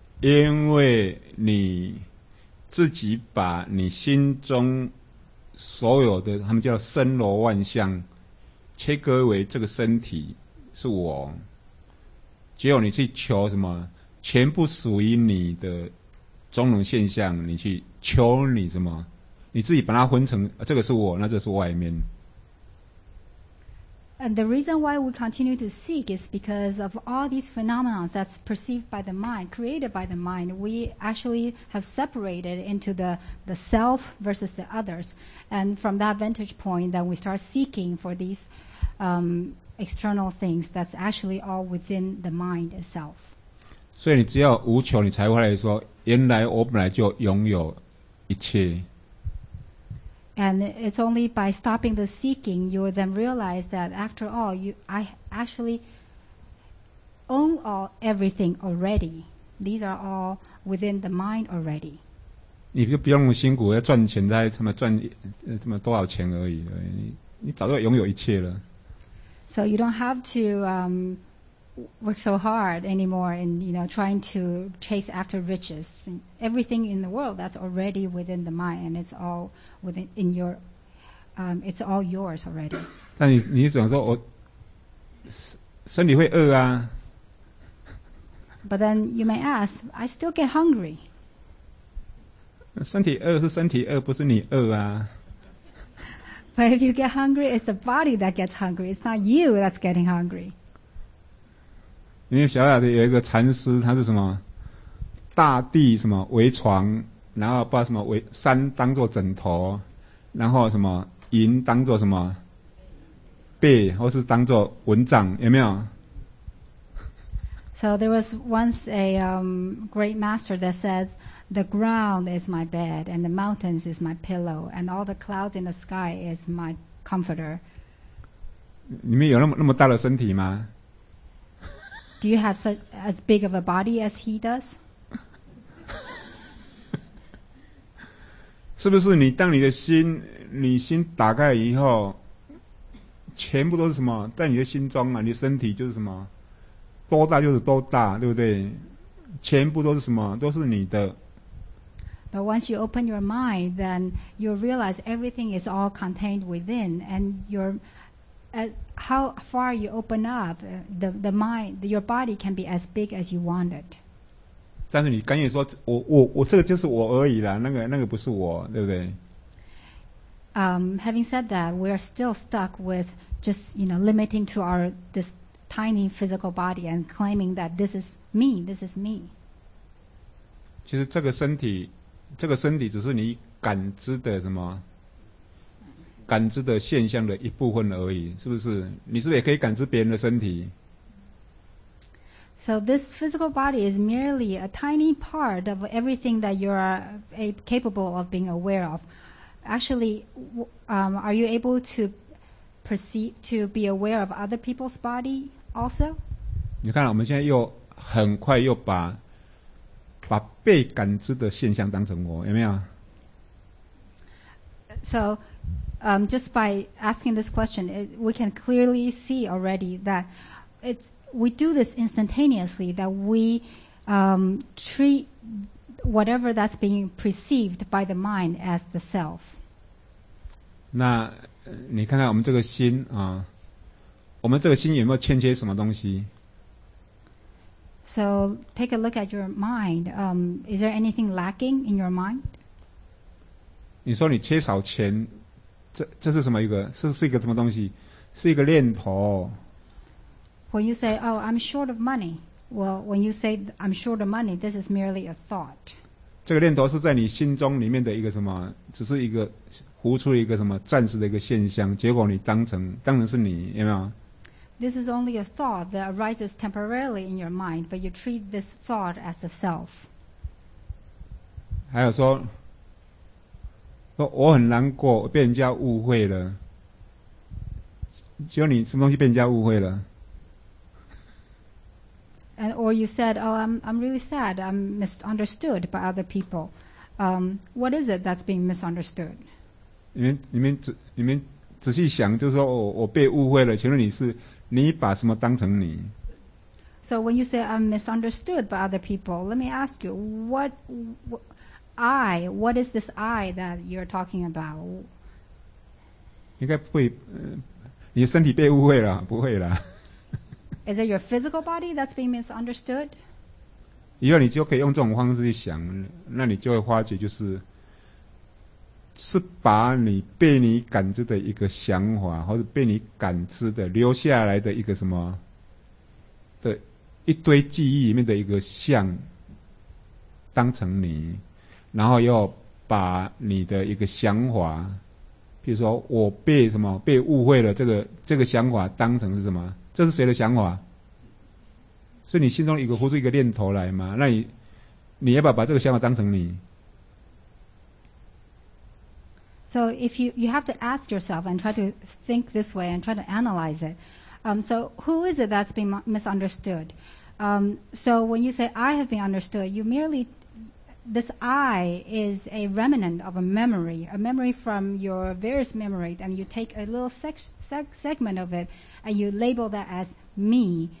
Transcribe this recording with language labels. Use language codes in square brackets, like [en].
[zh] 因为你自己把你心中所有的，他们叫森罗万象，切割为这个身体是我，只有你去求什么全部属于你的种种现象，你去求你什么，你自己把它分成、啊、这个是我，那这是外面。 [en] And the reason why we continue to seek is because of all these phenomena that's perceived by the mind, created by the mind, we actually have separated into the self versus the others, and from that vantage point that we start seeking for theseExternal things that's actually all within the mind itself. [zh] 所以你只要无求，你才会来说，原来我本来就拥有一切。 [en] And it's only by stopping the seeking, you will then realize that after all, I actually own all everything already. These are all within the mind already. [zh] 你就不用辛苦要赚钱，才什么赚什么多少钱而已，你早就拥有一切了。 [en] So you don't have to work so hard anymore in, you know, trying to chase after riches. Everything in the world that's already within the mind, and it's all within your, it's all yours already. [zh] 但你想说我身体会饿啊。 [en] But then you may ask, I still get hungry. [zh] 身体饿是身体饿，不是你饿啊。 [en] But if you get hungry, it's the body that gets hungry. It's not you that's getting hungry. [zh] 因为小雅的有一个禅师，他是什么大地什么为床，然后把什么为山当作枕头，然后什么云当作什么背，或是当作蚊帐，有没有？ [en] So there was once a great master that said,The ground is my bed, and the mountains is my pillow, and all the clouds in the sky is my comforter. [zh] 你们有那么大的身体吗？ [en] Do you have such as big of a body as he does? [zh] 是不是你当你的心，你心打开以后，全部都是什么，在你的心中啊，你的身体就是什么，多大就是多大，对不对？全部都是什么，都是你的。 [en] But once you open your mind, then you realize everything is all contained within, and how far you open up, the mind, your body can be as big as you want it. [zh] 但是你刚才说我这个就是我而已啦，那个不是我，对不对？ [en] Having said that, we are still stuck with just, you know, limiting to our this tiny physical body and claiming that this is me, this is me. [zh] 其实这个身体只是你感知的什么感知的现象的一部分而已，是不是？你是不是也可以感知别人的身体？ [en] So this physical body is merely a tiny part of everything that you are capable of being aware of. Actually, are you able to perceive to be aware of other people's body also? [zh] 你看，我们现在又很快又把被感知的现象当成我，有没有？ [en] So. Just by asking this question, we can clearly see already that we do this instantaneously, that we treat whatever that's being perceived by the mind as the self. [zh] 那你看看我们这个心啊，我们这个心有没有欠缺什么东西？ [en] So take a look at your mind. Is there anything lacking in your mind? [zh] 你说你缺少钱。这是什么一个？是一个什么东西？是一个念头。 [en] When you say, "Oh, I'm short of money," well, when you say, "I'm short of money," this is merely a thought. [zh] 这个念头是在你心中里面的一个什么？只是一个浮出一个什么暂时的一个现象，结果你当成是你，有没有 [en] ？This is only a thought that arises temporarily in your mind, but you treat this thought as the self. [zh] 还有说。我很难过，我被人家误会了。就你什么东西被人家误会了 [en] ？And or you said, "Oh, I'm really sad. I'm misunderstood by other people." What is it that's being misunderstood? [zh] 你们仔细想，就是说我被误会了。请问你把什么当成你 [en] ？So when you say I'm misunderstood by other people, let me ask you what is this I that you're talking about? [zh] 应该不会，你身体被误会了，不会了。 [en] Is it your physical body that's being misunderstood? [zh] 以后你就可以用这种方式去想，那你就会发觉就是，是把你被你感知的一个想法，或者被你感知的留下来的一个什么的一堆记忆里面的一个像，当成你。然后又把你的一个想法，比如说我被什么被误会了，这个想法当成是什么？这是谁的想法？是你心中一个呼出一个念头来吗？那你要不要把这个想法当成你 [en] ？So if you have to ask yourself and try to think this way and try to analyze it, so who is it that's been misunderstood? So when you say I have been understood, you merely This I is a remnant of a memory from your various memories, and you take a little segment of it, and you label that as me.